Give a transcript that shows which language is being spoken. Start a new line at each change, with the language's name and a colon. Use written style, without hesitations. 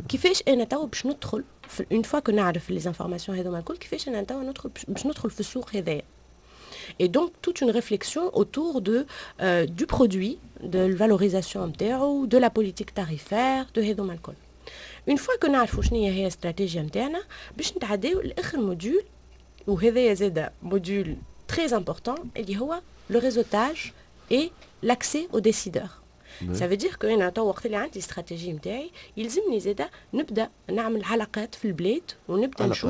Arabic: كيفاش انا تاو باش ندخل
French: une fois que
Arabic: نعرف
French: les informations
Arabic: هذوما الكل كيفاش انا تاو ندخل باش ندخل في السوق هذايا.
French: Et donc toute une réflexion autour de du produit, de la valorisation interne, de la politique tarifaire de
Arabic: هذوما الكل.
French: Une fois que
Arabic: نعرفوا شنو هي الاستراتيجية نتاعنا باش نتعداو لاخر موديول وهذايا زاد موديول
French: très important
Arabic: اللي هو
French: le réseautage et l'accès aux décideurs. Oui. Ça veut dire que en attendant
Arabic: وقت اللي عندي استراتيجيه نتاعي يلزم لي زاده نبدا نعمل علاقات في البلاد ونبدا نشوف